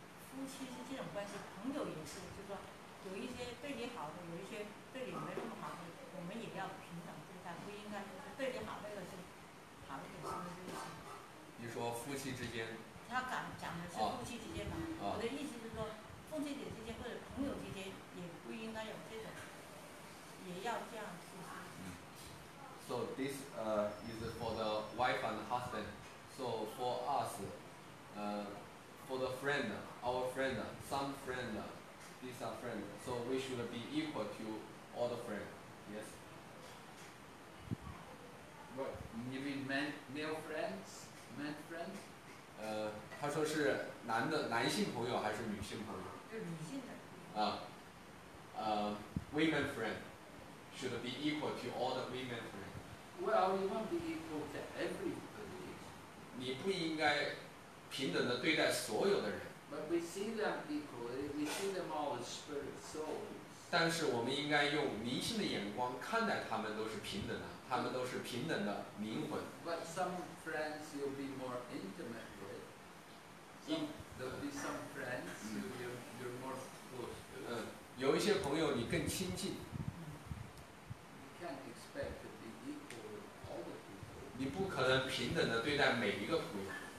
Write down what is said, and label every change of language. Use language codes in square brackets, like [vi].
[zh] 夫妻是这种关系，朋友也是，就是说有一些对你好的，有一些对你没那么好的，我们也要平等对待，不应该就是对你好那个是好一点，行的就行。你说夫妻之间？他讲的是夫妻之间嘛？我的意思就是说，夫妻之间或者朋友之间也不应该有这种，也要这样去。 [en] So this is for the wife and husband. So for us, for the friend, our friend, some friend, these are friends. So we should be equal to all the friends. Yes. What? You mean men, male friends? Men friends? [zh] 他说是男的男性朋友还是女性朋友？女性的。 [en] Women friend should be equal to all the women friends. Well, we want to be equal to everybody. [zh] 你不应该平等的对待所有的人。 [en] But we see them equally. We see them all as spirit souls. [zh] 但是我们应该用灵性的眼光看待他们，都是平等的，他们都是平等的灵魂。 [en] But some friends you'll be more intimate with. There'll be some friends you're more close to. [zh] 有一些朋友你更亲近。 [en] You can't expect to be equal with all the people. [zh] 你不可能平等的对待每一个朋友。